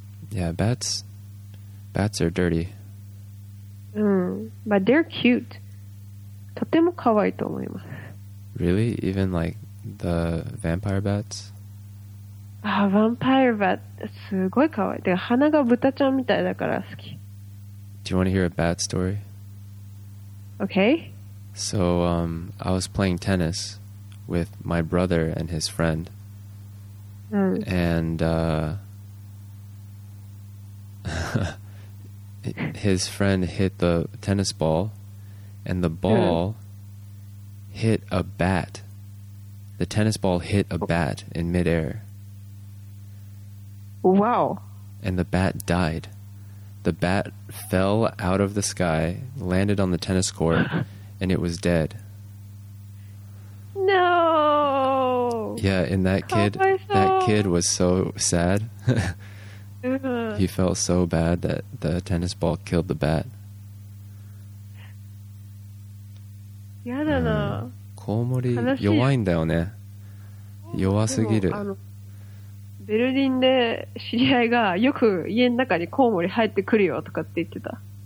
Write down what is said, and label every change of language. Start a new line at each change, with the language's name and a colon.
English: Yeah, bats. Bats are dirty. But they're cute.
Japanese: とても可愛いと思います。
English: Really? Even like the vampire bats? Vampire bat.
Japanese: すごい可愛い。で、鼻が豚ちゃんみたいだから好き。
English: Do you want to hear a bat story? Okay. So, I was playing tennis with my brother and his friend. And, his friend hit the tennis ball and the ball hit a bat. The tennis ball hit a bat in midair. Wow. And the bat died. The bat fell out of the sky, landed on the tennis court, and it was dead. No. Yeah, and that kid was so sad. He felt so bad that the tennis ball killed the bat.
Japanese: やだな。コウモリ弱いんだよね。弱すぎる。ベルリンで知り合いがよく家の中にコウモリ入ってくるよとかって言ってた。